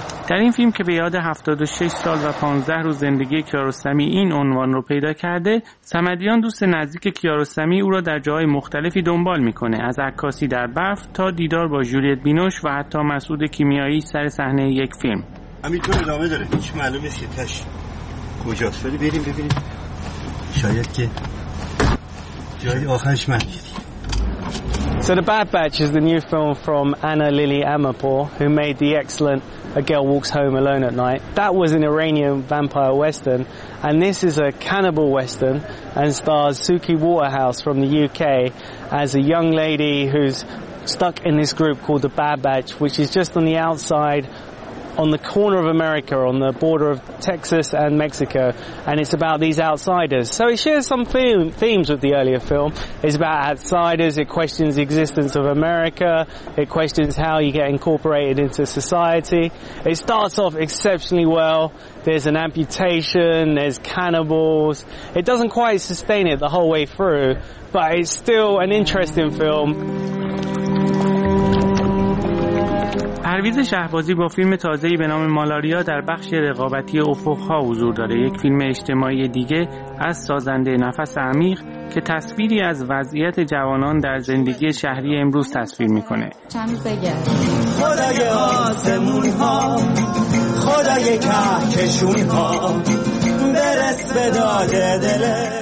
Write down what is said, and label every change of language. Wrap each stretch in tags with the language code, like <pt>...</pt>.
<fa>در این فیلم که به یاد 76 سال و 15 روز زندگی کیارستمی این عنوان رو پیدا کرده، صمدیان دوست نزدیک کیارستمی او را در جاهای مختلفی دنبال میکنه، از عکاسی در برف تا دیدار با جولیت بینوش و حتی مسعود کیمیایی سر صحنه یک فیلم. همینطور ادامه داره، هیچ معلوم نیست که تش کجاست. ولی بریم ببینیم، شاید که جای آخرش من دیدی.</fa> <en>So The Bad Batch is the new film from Anna Lily Amirpour, who made the excellent A Girl Walks Home Alone at Night. That was an Iranian vampire western, and this is a cannibal western and stars Suki Waterhouse from the UK as a young lady who's stuck in this group called The Bad Batch, which is just on the outside on the corner of America, on the border of Texas and Mexico, and it's about these outsiders. So it shares some themes with the earlier film. It's about outsiders, it questions the existence of America, it questions how you get incorporated into society. It starts off exceptionally well. There's an amputation, there's cannibals. It doesn't quite sustain it the whole way through, but it's still an interesting film.</en> <fa>پرویز شهبازی با فیلم تازه‌ای به نام مالاریا در بخش رقابتی افق‌ها حضور داره، یک فیلم اجتماعی دیگه از سازنده نفس عمیق که تصویری از وضعیت جوانان در زندگی شهری امروز تصویر می‌کنه. خدای آسمون‌ها، خدای کهکشون‌ها، برس به داد دل.</fa>